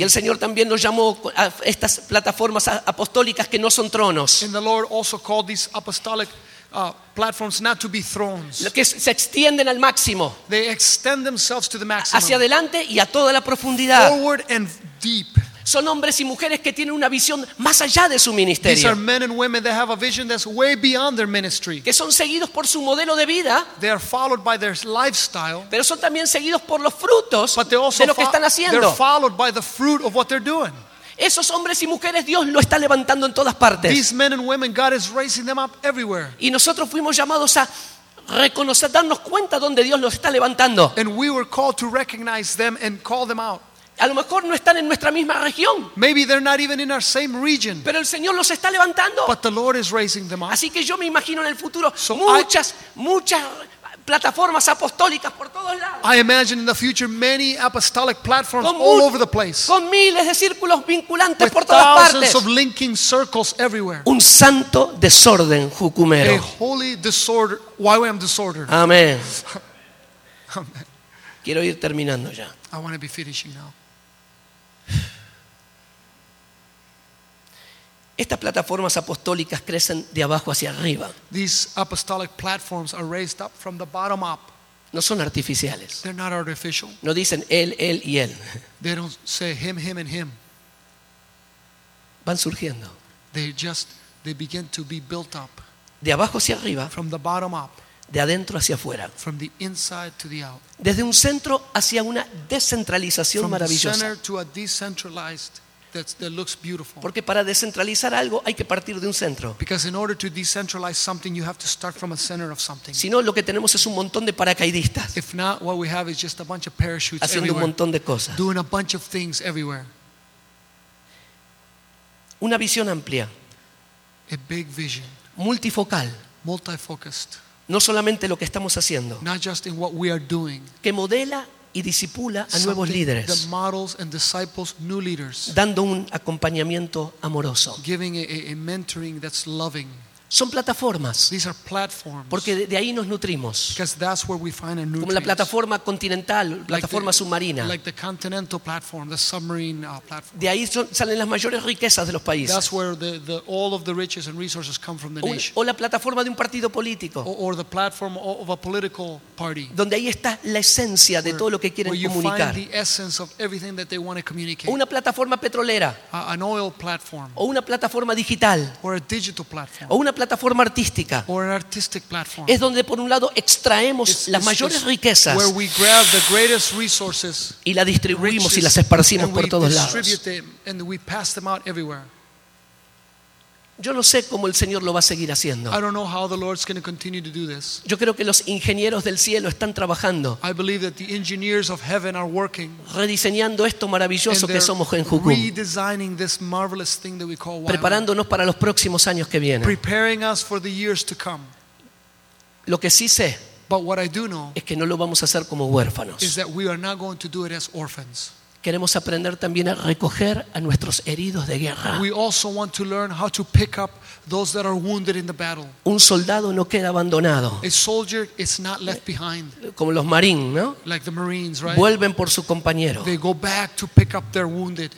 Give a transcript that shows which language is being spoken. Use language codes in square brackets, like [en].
[es] Y el Señor también nos llamó a estas plataformas apostólicas que no son tronos. [en] And the Lord also called these apostolic platforms not to be thrones. [es] Lo que se extienden al máximo. [en] They extend themselves to the maximum. [es] Hacia adelante y a toda la profundidad. [en] Forward and deep. [es] Son hombres y mujeres que tienen una visión más allá de su ministerio. [en] These are men and women that have a vision that's way beyond their ministry. [es] Que son seguidos por su modelo de vida. [en] They are followed by their lifestyle. [es] Pero son también seguidos por los frutos de lo que están haciendo. [en] They're followed by the fruit of what they're doing. [es] Esos hombres y mujeres Dios lo está levantando en todas partes. [en] These men and women, God is raising them up everywhere. [es] Y nosotros fuimos llamados a reconocer, darnos cuenta donde Dios los está levantando. [en] And we were called to recognize them and call them out. [es] A lo mejor no están en nuestra misma región. [en] Maybe they're not even in our same region. [es] Pero el Señor los está levantando. [en] But the Lord is raising them up. [es] Así que yo me imagino en el futuro muchas plataformas apostólicas por todos lados. [en] I imagine in the future many apostolic platforms all over the place. [es] Con miles de círculos vinculantes por todas partes. [en] Thousands of linking circles everywhere. [es] Un santo desorden jucumero. [en] A holy disorder. Why am I disordered? [es] Amén. Quiero ir terminando ya. [en] I want to be finishing now. [es] Estas plataformas apostólicas crecen de abajo hacia arriba. [en] These apostolic platforms are raised up from the bottom up. [es] No son artificiales. [en] They're not artificial. [es] No dicen él y él. [en] They don't say him and him. [es] Van surgiendo. [en] They begin to be built up. [es] De abajo hacia arriba. [en] From the bottom up. [es] De adentro hacia afuera. [en] From the inside to the out. [es] Desde un centro hacia una descentralización maravillosa. [en] From the center to a decentralized that looks beautiful. [es] Porque para descentralizar algo hay que partir de un centro. [en] Because in order to decentralize something you have to start from a center of something. [es] Si no, lo que tenemos es un montón de paracaidistas. [en] If not, what we have is just a bunch of parachutes everywhere. [es] Haciendo un montón de cosas. [en] Doing a bunch of things everywhere. [es] Una visión amplia. [en] A big vision. [es] Multifocal. [en] Multifocused. [es] No solamente lo que estamos haciendo. [en] Not just in what we are doing. [es] Que modela y discipula a nuevos líderes. [en] That models and disciples new leaders. [es] Dando un acompañamiento amoroso. [en] Giving a mentoring that's loving. [es] Son plataformas. [en] These are platforms. [es] Porque de ahí nos nutrimos. [en] Because that's where we find our nutrients. [es] Como la plataforma continental, plataforma submarina. [en] Like the continental platform, the submarine platform. [es] De ahí salen las mayores riquezas de los países. [en] That's where the all of the riches and resources come from the nation. [es] O la plataforma de un partido político. [en] Or the platform of a political party. [es] Donde ahí está la esencia de todo lo que quieren comunicar. [en] Where you find the essence of everything that they want to communicate. [es] Una plataforma petrolera. [en] An oil platform. [es] O una plataforma digital. [en] Or a digital platform. [es] O una plataforma artística. [en] Or an artistic platform. [es] Es donde por un lado extraemos las mayores riquezas, [en] where we grab the greatest resources, [es] y las distribuimos y las esparcimos por todos lados. [en] Them and we pass them out everywhere. [es] Yo no sé cómo el Señor lo va a seguir haciendo. [en] I don't know how the Lord's going to continue to do this. [es] Yo creo que los ingenieros del cielo están trabajando. [en] I believe that the engineers of heaven are working. [es] Rediseñando esto maravilloso que somos en Jucum. [en] Redesigning this marvelous thing that we call Wyoming. [es] Preparándonos para los próximos años que vienen. [en] Preparing us for the years to come. [es] Lo que sí sé, [en] but what I do know, [es] es que no lo vamos a hacer como huérfanos. [en] Is that we are not going to do it as orphans. [es] Queremos aprender también a recoger a nuestros heridos de guerra. [en] We also want to learn how to pick up those that are wounded in the battle. [es] Un soldado no queda abandonado. [en] A soldier is not left behind. [es] Como los marines, ¿no? [en] Like the marines, right? [es] Vuelven por su compañero. [en] They go back to pick up their wounded.